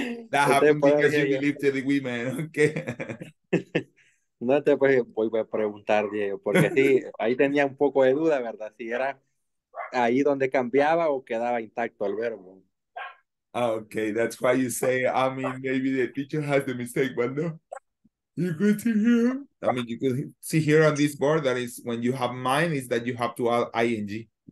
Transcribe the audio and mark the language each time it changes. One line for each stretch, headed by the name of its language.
English: That happened because you believed the women, okay.
Spanish: No te puedes, voy a preguntar, Diego, porque sí, ahí tenía un poco de duda, ¿verdad? Si era ahí donde cambiaba o quedaba intacto el verbo.
English: Okay, that's why you say, I mean, maybe the teacher has the mistake, but no. You could see here. I mean, you could see here on this board that is when you have mine, is that you have to add ing.